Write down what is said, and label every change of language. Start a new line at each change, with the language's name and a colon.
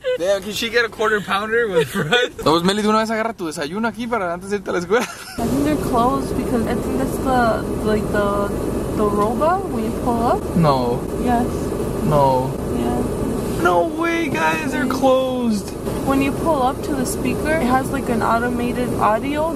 English: Damn, can she get a quarter pounder with fries?
Spanish: No, pues Meli, de una vez agarra tu desayuno aquí para antes de irte a la escuela.
English: I think they're closed because I think that's the robot when you pull up. No. Yes. No. Yeah. No way, guys, they're closed. When you pull up to the speaker, it has like an automated audio.